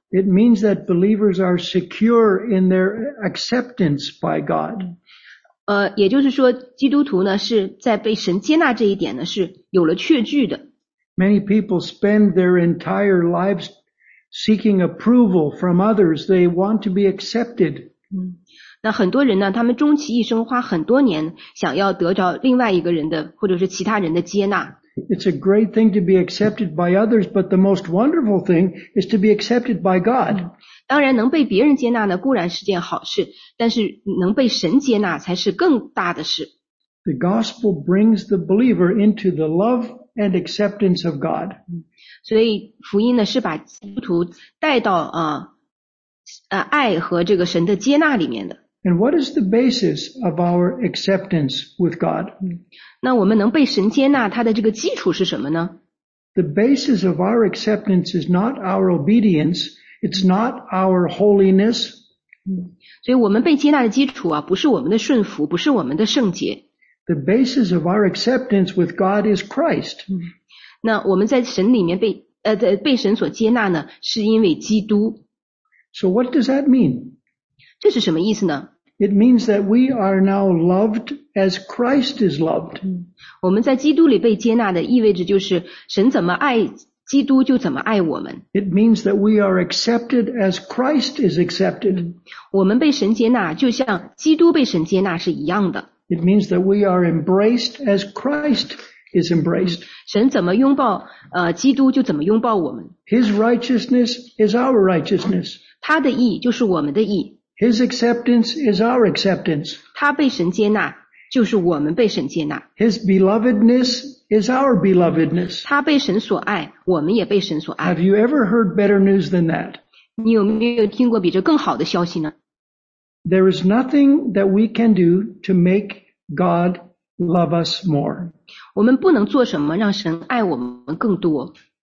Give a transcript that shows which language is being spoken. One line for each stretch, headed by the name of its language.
English: It means that believers are secure in their acceptance by God.
Chinese: 也就是说基督徒呢是在被神接纳这一点呢是有了确据的。
English: Many people spend their entire lives seeking approval from others. They want to be accepted.
Chinese: 那很多人呢，他们终其一生花很多年，想要得着另外一个人的或者是其他人的接纳。
English: It's a great thing to be accepted by others, but the most wonderful thing is to be accepted by God.
Chinese: 当然，能被别人接纳呢，固然是件好事，但是能被神接纳才是更大的事。
English: The gospel brings the believer into the love and acceptance of God.
Chinese: 所以福音呢是把基督徒带到爱和这个神的接纳里面的。
English: And what is the basis of our acceptance with God?
Chinese: 那我们能被神接纳它的这个基础是什么呢?
English: The basis of our acceptance is not our obedience, it's not our holiness.
Chinese: 所以我们被接纳的基础啊不是我们的顺服不是我们的圣洁。
English: The basis of our acceptance with God is Christ.
Chinese: 那我们在神里面被神所接纳呢，是因为基督。
English: So what does that mean?
Chinese: 这是什么意思呢？
English: It means that we are now loved as Christ is loved.
Chinese: 我们在基督里被接纳的意味着就是神怎么爱基督就怎么爱我们。
English: It means that we are accepted as Christ is accepted.
Chinese: 我们被神接纳就像基督被神接纳是一样的。
English: It means that we are embraced as Christ is embraced.
Chinese: 神怎么拥抱基督就怎么拥抱我们。
English: His righteousness is our righteousness.
Chinese: 他的义就是我们的义。
English: His acceptance is our acceptance.
Chinese: 他被神接纳就是我们被神接纳。
English: His belovedness is our belovedness.
Chinese: 他被神所爱我们也被神所爱。
English: Have you ever heard better news than that?
Chinese: 你有没有听过比这更好的消息呢？
English: There is nothing that we can do to make God love us more.
Chinese: 我们不能做什么让神爱我们更多。